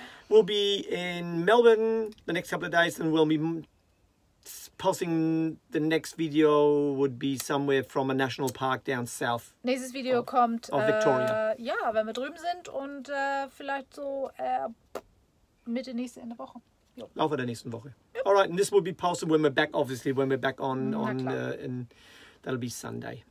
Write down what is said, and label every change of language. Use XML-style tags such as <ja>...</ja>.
<en>We'll be in Melbourne the next couple of days and we'll be posting the next video would be somewhere from a national park down south.</en> <de>Nächstes Video kommt</de> <en>of Victoria.</en> <de>Ja, wenn wir drüben sind und vielleicht so Mitte nächste in der Woche. Jo. Laufe der nächsten Woche. Yep.</de> <en>All right, and this will be posted when we're back, obviously, when we're back on and that'll be Sunday.</en>